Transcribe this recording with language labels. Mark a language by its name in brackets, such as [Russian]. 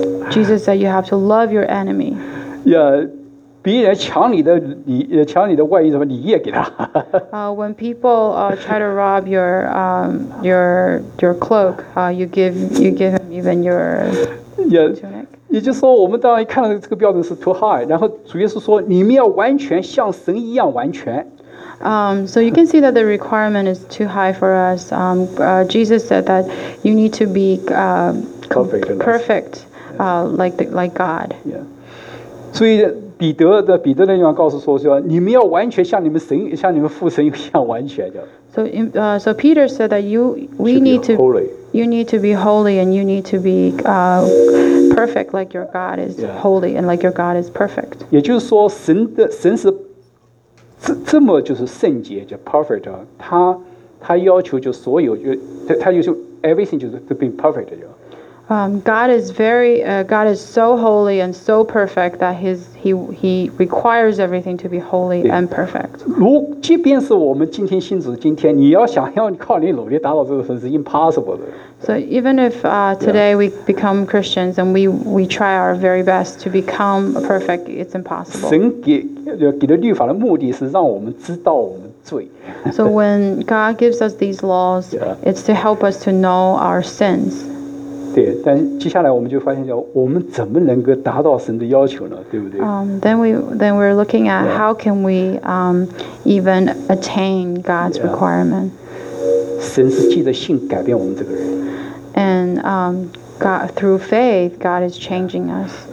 [English] Jesus said you have to love your enemy. [Chinese] Yeah, 别人抢你的，抢你的外衣什么，你也给他。 [English] when people try to rob your cloak, you give him even your tunic. [Chinese] 也就是说，我们当然看到这个标准是 [English] too high. [Chinese] 然后主耶稣说，你们要完全像神一样完全。 [English] So you can see that the requirement is too high for us. Jesus said that you need to be perfect like God. Yeah. [Chinese] 所以彼得那句话告诉说，说你们要完全像你们神，像你们父神一样完全的。 [English] So Peter said that you need to be holy and you need to be perfect like your God is holy and like your God is perfect. [Chinese] 也就是说，神是。这么就是圣洁，就 perfect 啊，他要求就所有，他要求 everything 就是 [English] to be perfect [Chinese] 就。 [English] God is very, God is so holy and so perfect that he requires everything to be holy and perfect. [Chinese] 即便是我们今天信主，今天你要想要靠你努力达到这个分，是 impossible 的。 [English] So even if today we become Christians and we try our very best to become perfect, it's impossible. [Chinese] 神给的律法的目的是让我们知道我们罪。 [English] So when God gives us these laws, it's to help us to know our sins. [Chinese] 对，但接下来我们就发现，我们怎么能够达到神的要求呢？对不对？ [English] Then we're looking at how can we even attain God's requirement. [Chinese] 神是借着信改变我们这个人。 [English] And God through faith, God is changing us.